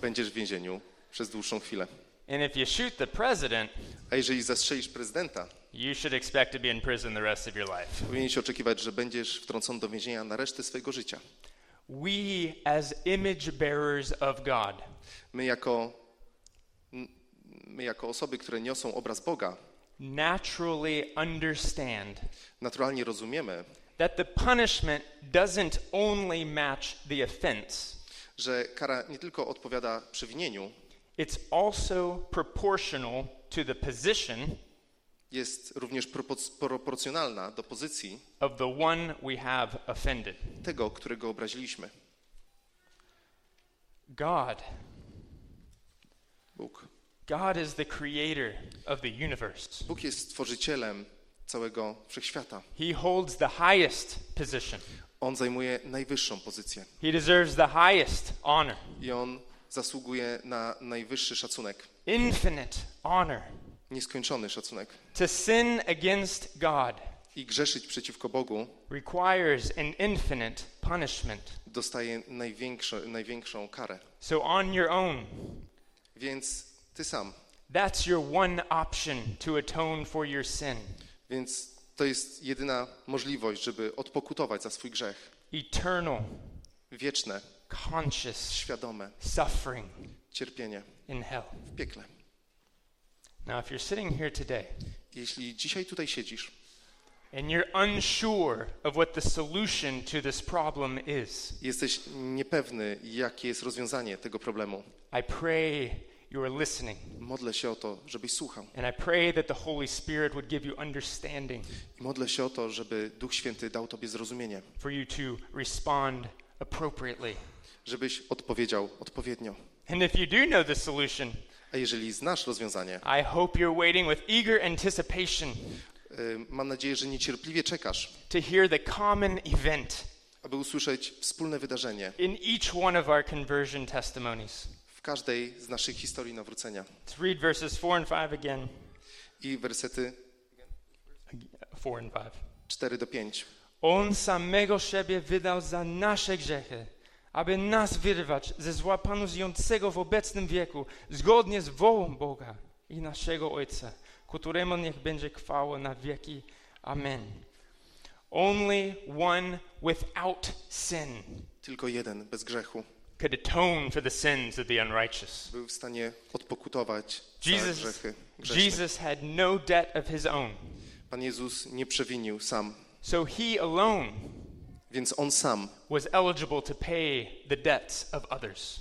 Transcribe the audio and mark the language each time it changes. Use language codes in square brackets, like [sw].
[pl] Będziesz w więzieniu przez dłuższą chwilę. [en] And if you shoot the president, [pl] a jeżeli zastrzelisz prezydenta, [en] you should expect to be in prison the rest of your life. [pl] Powinieneś oczekiwać, że będziesz wtrącony do więzienia na resztę swojego życia. [en] We as image bearers of God. [pl] My jako osoby, które niosą obraz Boga. [en] Naturally understand. [pl] Naturalnie rozumiemy. [en] That the punishment doesn't only match the offense. [pl] Że kara nie tylko odpowiada przewinieniu. [en] It's also proportional to the position. [pl] Jest również proporcjonalna do pozycji [en] of the one we have offended. [pl] Tego, którego obraziliśmy. [en] God. [pl] Bóg. [en] God is the creator of the universe. [pl] Bóg jest stworzycielem całego wszechświata. [en] He holds the highest position. [pl] On zajmuje najwyższą pozycję. [en] He deserves the highest honor. [pl] I on zasługuje na najwyższy szacunek. [en] Infinite honor. [pl] Nieskończony szacunek. [en] To sin against God. [pl] I grzeszyć przeciwko Bogu. [en] Requires an infinite punishment. [pl] Dostaje największą karę. [en] So on your own. [pl] Więc ty sam. [en] That's your one option to atone for your sin. [pl] Więc to jest jedyna możliwość, żeby odpokutować za swój grzech. [en] Eternal. [pl] Wieczne. [en] Conscious. [pl] Świadome. [en] Suffering. [pl] Cierpienie. [en] In hell. [pl] W piekle. [en] Now, if you're sitting here today, [pl] jeśli dzisiaj tutaj siedzisz, [en] and you're unsure of what the solution to this problem is, [pl] jesteś niepewny, jakie jest rozwiązanie tego problemu, [en] I pray you are listening. [pl] Modlę się o to, żebyś słuchał. [en] And I pray that the Holy Spirit would give you understanding. [pl] Modlę się o to, żeby Duch Święty dał tobie zrozumienie. [en] For you to respond appropriately. [pl] Żebyś odpowiedział odpowiednio. [en] And if you do know the solution, [pl] a jeżeli znasz rozwiązanie, [en] I hope you're waiting with eager anticipation. [pl] Mam nadzieję, że niecierpliwie czekasz. [en] To hear the common event. [pl] Aby usłyszeć wspólne wydarzenie. [en] In each one of our conversion testimonies. [pl] W każdej z naszych historii nawrócenia. [en] To read verses 4 and 5 again. [pl] I wersety [en] 4 and 5. [pl] 4 do 5. On samego siebie wydał za nasze grzechy, aby nas wyrwać ze zła Panu ziejącego w obecnym wieku, zgodnie z wolą Boga i naszego Ojca, któremu niech będzie chwała na wieki. [en] Amen. Only one without sin. [pl] Tylko jeden bez grzechu. [en] Could atone for the sins of the unrighteous. [pl] Był w stanie odpokutować [en] Jesus, [pl] za grzechy grzesznych. [en] Jesus had no debt of his own. [pl] Pan Jezus nie przewinił sam. [en] So he alone. [pl] Więc on sam [en] was eligible to pay the debts of others.